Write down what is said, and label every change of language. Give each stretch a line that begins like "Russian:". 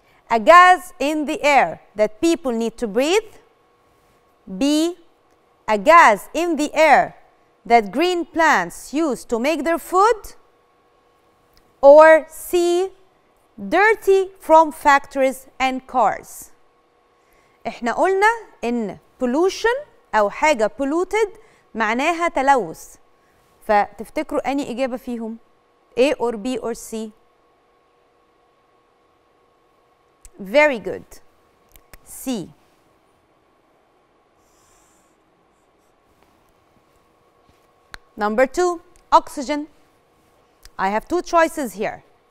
English: A gas in the air that people need to breathe. B. A gas in the air that green plants use to make their food. Or C. Dirty from factories and cars.
Arabic: احنا قلنا ان pollution او حاجة polluted معناها تلوث. فتفتكروا اني اجابة فيهم
English: A or B or C. Very good. C. Number 2. Oxygen. I have two choices here.